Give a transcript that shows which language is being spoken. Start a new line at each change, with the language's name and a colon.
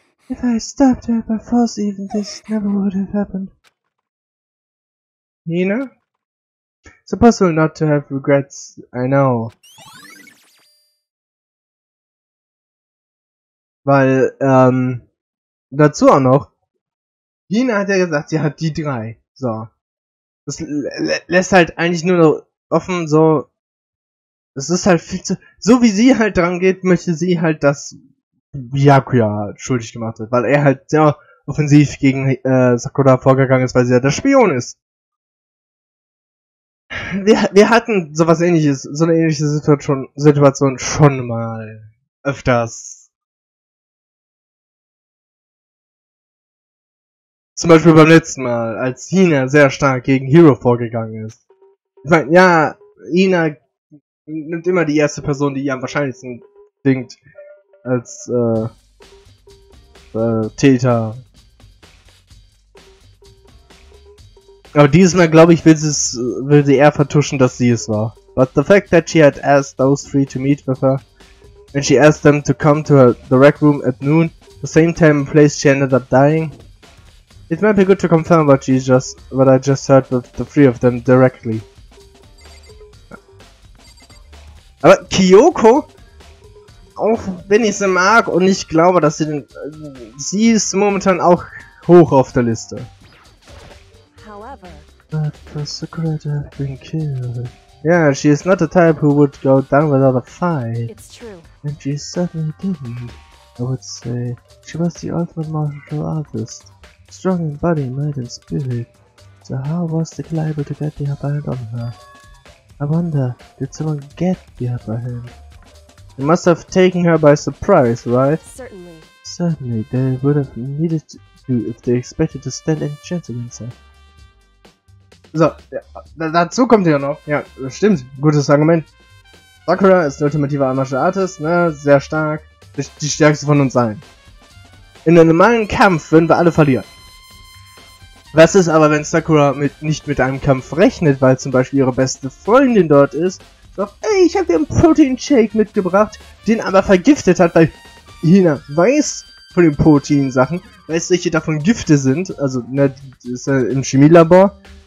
English: If I stopped her before even this never would have happened. Nina? It's impossible not to have regrets, I know.
German: Weil, dazu auch noch, Nina hat ja gesagt, sie hat die drei, so. Das lässt halt eigentlich nur noch offen, so, es ist halt viel zu, so wie sie halt dran geht, möchte sie halt, dass Byakuya schuldig gemacht wird, weil er halt sehr offensiv gegen Sakura vorgegangen ist, weil sie ja der Spion ist. Wir hatten sowas ähnliches, so eine ähnliche Situation schon mal öfters. Zum Beispiel beim letzten Mal, als Hina sehr stark gegen Hiro vorgegangen ist. Ich meine, ja, Hina nimmt immer die erste Person, die ihr am wahrscheinlichsten denkt, als Täter. Aber dieses Mal, glaube ich, will sie eher vertuschen, dass sie es war.
English: But the fact that she had asked those three to meet with her, and she asked them to come to the rec room at noon, the same time and place she ended up dying, it might be good to confirm what I just heard with the three of them directly.
German: Aber Kyoko, auch wenn ich sie mag und ich glaube, dass sie den, sie ist momentan auch hoch auf der Liste.
English: But the Sakura has been killed. Yeah, she is not the type who would go down without a fight. It's true. And she certainly didn't. I would say she was the ultimate martial artist. Strong in body, mind and spirit. So how was the killer able to get the upper hand on her? I wonder, did someone get the upper hand? They must have taken her by surprise, right? Certainly. Certainly, they would have needed to if they expected to stand any chance against her.
German: So, ja, dazu kommt ja noch, ja, stimmt, gutes Argument. Sakura ist der ultimative Martial Artist, ne, sehr stark, die stärkste von uns allen. In einem normalen Kampf würden wir alle verlieren. Was ist aber, wenn Sakura nicht mit einem Kampf rechnet, weil zum Beispiel ihre beste Freundin dort ist, doch, ey, ich habe dir einen Protein-Shake mitgebracht, den aber vergiftet hat, weil Hina weiß von den Protein-Sachen, weiß, welche davon Gifte sind, also, ne, das ist ja im Chemielabor.